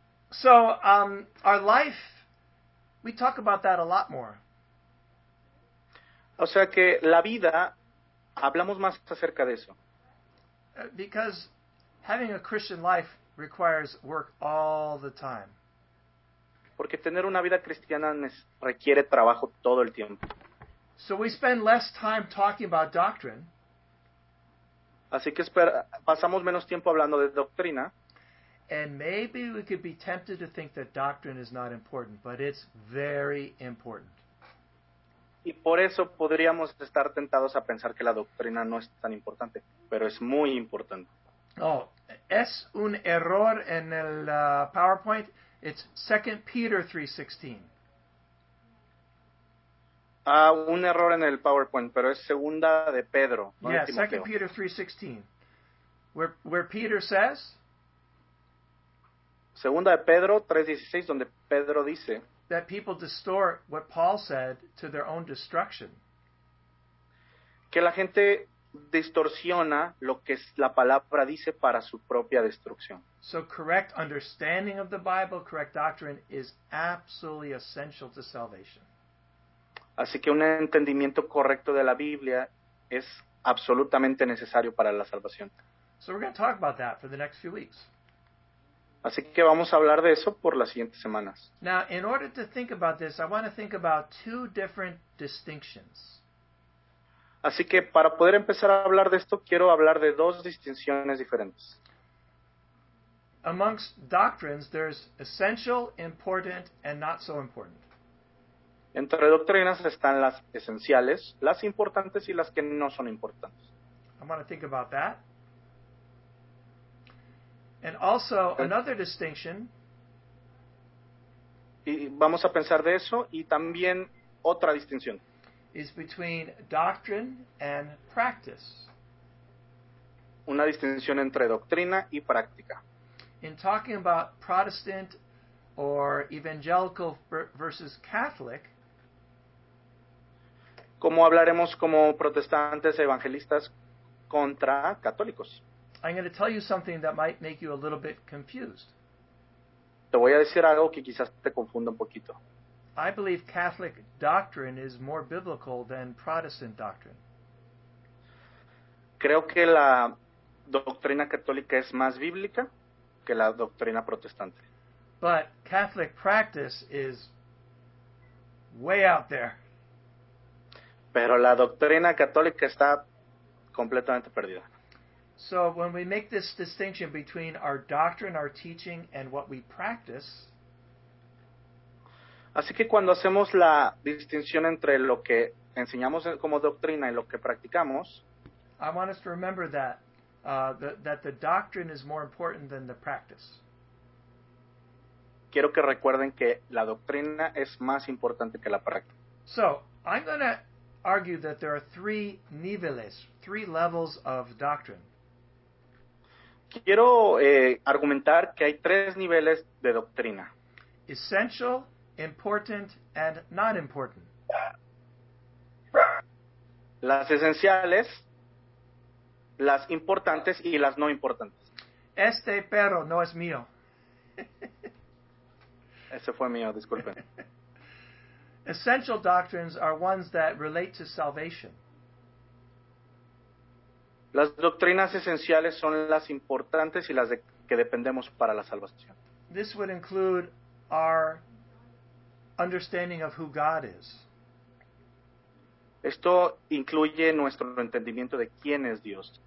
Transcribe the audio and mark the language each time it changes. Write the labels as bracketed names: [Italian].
[English] So, our life, we talk about that a lot more. [Spanish] O sea que la vida, hablamos más acerca de eso. [English] Because having a Christian life requires work all the time. [Spanish] Porque tener una vida cristiana requiere trabajo todo el tiempo. [English] So we spend less time talking about doctrine. [Spanish] Así que pasamos menos tiempo hablando de doctrina. [English] And maybe we could be tempted to think that doctrine is not important, but it's very important. [Spanish] Y por eso podríamos estar tentados a pensar que la doctrina no es tan importante, pero es muy importante. Oh, es un error en el PowerPoint. [English] It's 2 Peter 3:16. [Spanish] Ah, un error en el PowerPoint, pero es segunda de Pedro. [English] No, yeah, 2 Peter 3:16. Where Peter says, [Spanish] segunda de Pedro 3:16, donde Pedro dice, [English] that people distort what Paul said to their own destruction. [Spanish] Que la gente distorsiona lo que la palabra dice para su propia destrucción. [English] So correct understanding of the Bible, correct doctrine, is absolutely essential to salvation. [Spanish] Así que un entendimiento correcto de la Biblia es absolutamente necesario para la salvación. [English] So we're going to talk about that for the next few weeks. [Spanish] Así que vamos a hablar de eso por las siguientes semanas. [English] Now, in order to think about this, I want to think about two different distinctions. [Spanish] Así que para poder empezar a hablar de esto, quiero hablar de dos distinciones diferentes. [English] Amongst doctrines, there's essential, important, and not so important. [Spanish] Entre doctrinas están las esenciales, las importantes y las que no son importantes. [English] I want to think about that. And also another distinction. [Spanish] Y vamos a pensar de eso y también otra distinción. [English] Is between doctrine and practice. [Spanish] Una distinción entre doctrina y práctica. [English] In talking about Protestant or evangelical versus Catholic. [Spanish] Como hablaremos como protestantes evangelistas contra católicos. [English] I'm going to tell you something that might make you a little bit confused. [Spanish] Te voy a decir algo que quizás te confunda un poquito. [English] I believe Catholic doctrine is more biblical than Protestant doctrine. [Spanish] Creo que la doctrina católica es más bíblica que la doctrina protestante. [English] But Catholic practice is way out there. [Spanish] Pero la doctrina católica está completamente perdida. [English] So when we make this distinction between our doctrine, our teaching, and what we practice, [Spanish] Así que cuando hacemos la distinción entre lo que enseñamos como doctrina y lo que practicamos, [English] I want us to remember that that the doctrine is more important than the practice. [Spanish] Quiero que recuerden que la doctrina es más importante que la práctica. [English] So, I'm going to argue that there are three niveles, three levels of doctrine. [Spanish] Quiero argumentar que hay tres niveles de doctrina. [English] Essential, important, and not important. [Spanish] Las esenciales, las importantes y las no importantes. Este perro no es mío. Ese fue mío, disculpen. [English] Essential doctrines are ones that relate to salvation. [Spanish] Las doctrinas esenciales son las importantes y las que dependemos para la salvación. [English] This would include our understanding of who God is. [Spanish] Esto incluye nuestro entendimiento de quién es Dios.